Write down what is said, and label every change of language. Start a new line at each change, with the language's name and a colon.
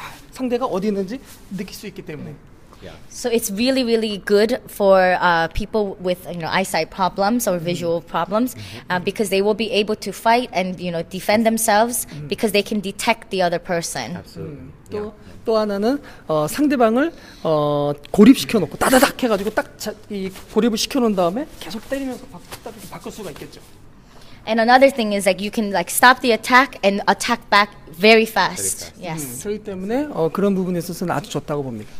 Korean: 상대가 어디 있는지 느낄 수 있기 때문에.
English: Yeah. So it's really, really good for people with, you know, eyesight problems or visual problems, because they will be able to fight and, you know, defend themselves because they can detect the other person. Absolutely.
Korean: 또 하나는 상대방을 고립시켜 놓고 따다닥 해가지고 딱 이 고립을 시켜 놓은 다음에 계속 때리면서 바꿀 수가 있겠죠.
English: And another thing is that you can like stop the attack and attack back very fast. Yes.
Korean: 그렇기 때문에 그런 부분에 있어서는 아주 좋다고 봅니다.